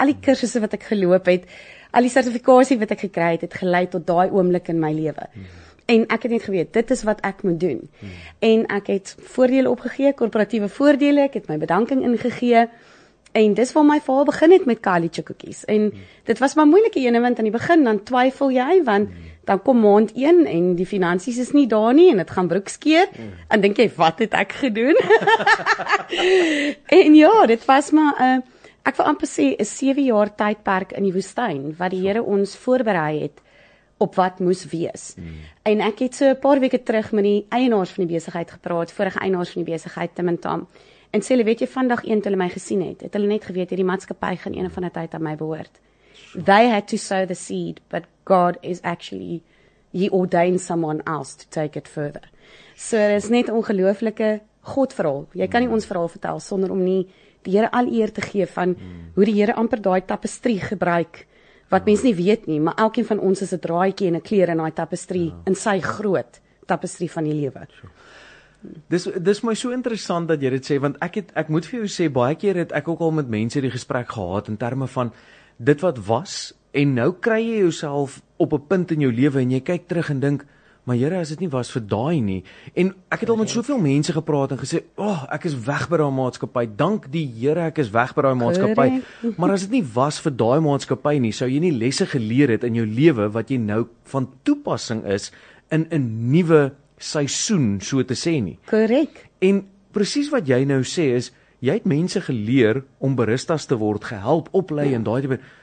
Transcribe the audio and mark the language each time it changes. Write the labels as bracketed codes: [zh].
[af] Al die kursusse wat ek geloop het, al die sertifikasie wat ek gekry het, het gelei tot daai oomblik in my lewe. En ek het net geweet, dit is wat ek moet doen. En ek het voordele opgegee, korporatiewe voordele, ek het my bedanking ingegee. En dis waar my verhaal begin het met Kayalicha Cookies. En dit was maar moeilike ene, want aan die begin dan twyfel jy, want dan kom maand 1 en die finansies is nie daar nie en dit gaan broek skeer. En dink jy, wat het ek gedoen? En ja, dit was maar, ek wil amper sê, 'n 7 jaar tydperk in die woestyn, wat die Here ons voorberei het op wat moes wees. En ek het so 'n paar weke terug met die eienaars van die besigheid gepraat, vorige eienaars van die besigheid, Tim en Tam. En sê hulle, weet jy, vandag 1 toe hulle my gesien het, het hulle net geweet, hierdie maatskappy gaan een van die tyd aan my behoort. [en] They had to sow the seed, but God is actually, he ordained someone else to take it further. [af] So, dit is net ongelooflike Godverhaal. Jy kan nie ons verhaal vertel, sonder om nie die Here al eer te gee van hoe die Here amper daai tapestrie gebruik, wat mens nie weet nie, maar elkeen van ons is 'n draadjie en 'n kleur in daai tapestrie, in sy groot tapestrie van die lewe. Dis my so interessant dat jy dit sê, want ek moet vir jou sê, baie keer het ek ook al met mense die gesprek gehad in terme van dit wat was, en nou kry jy jouself op 'n punt in jou lewe en jy kyk terug en dink, maar Here, as dit nie was vir daai nie. En ek het al met soveel mense gepraat en gesê, "Ag, ek is weg by daai maatskappy. Dank die Here, ek is weg by daai maatskappy." Maar as dit nie was vir daai maatskappy nie, sou jy nie lesse geleer het in jou lewe wat jy nou van toepassing is in 'n nuwe seisoen, so te sê nie. Korrek. En presies wat jy nou sê is, jy het mense geleer om baristas te word, gehelp, oplei en daai tipe.